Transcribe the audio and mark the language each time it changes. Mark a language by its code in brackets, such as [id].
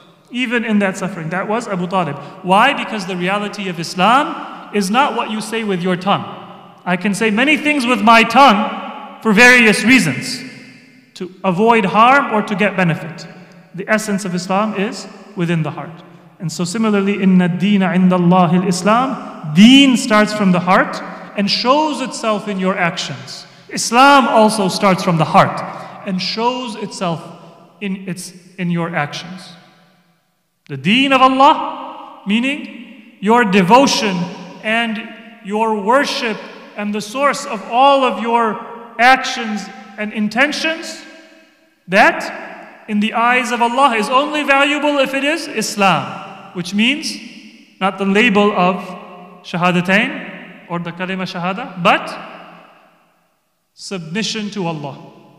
[en] Even in that suffering, that was Abu Talib. Why? Because the reality of Islam is not what you say with your tongue. I can say many things with my tongue for various reasons, to avoid harm or to get benefit. The essence of Islam is within the heart. And so similarly, [ar] إِنَّ الدِّينَ عِنْدَ اللَّهِ الْإِسْلَامِ. [en] Deen starts from the heart and shows itself in your actions. Islam also starts from the heart and shows itself in your actions. The deen of Allah, meaning your devotion and your worship and the source of all of your actions and intentions, that in the eyes of Allah is only valuable if it is Islam, which means not the label of Shahadatain or the Kalima Shahada, but submission to Allah.